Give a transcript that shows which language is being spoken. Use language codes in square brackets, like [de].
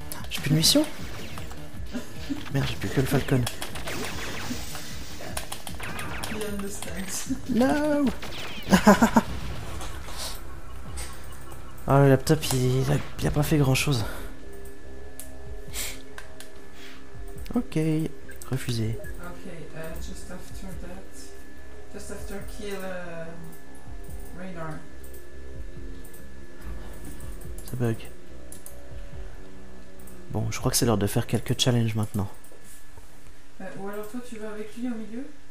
[fr] J'ai plus de mission? Merde, j'ai plus que le Falcon. Non. Ah, le laptop, il a pas fait grand chose. Ok, refusé. [en] Ok, just after that, just after kill radar. [fr] Ça bug. Bon, je crois que c'est l'heure de faire quelques challenges maintenant. Ou alors toi, tu vas avec lui au milieu?